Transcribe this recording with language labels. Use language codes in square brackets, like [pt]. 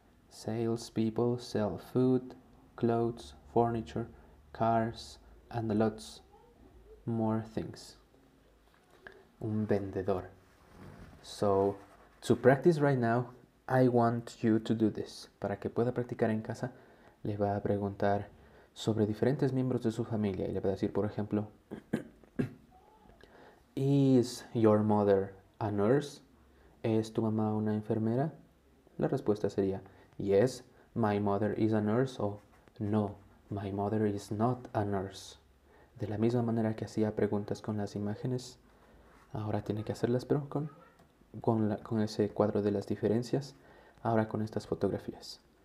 [en] Salespeople sell food, clothes, furniture, cars, and lots more things. [es] Un vendedor. [en] So, to practice right now, I want you to do this. [es] Para que pueda practicar en casa, le va a preguntar sobre diferentes miembros de su familia. Y le va a decir, por ejemplo, [en] Is your mother a nurse? [es] ¿Es tu mamá una enfermera? La respuesta sería, [en] Yes, my mother is a nurse. O, No, my mother is not a nurse. [es] De la misma manera que hacía preguntas con las imágenes, ahora tiene que hacerlas, pero con ese cuadro de las diferencias, ahora con estas fotografías.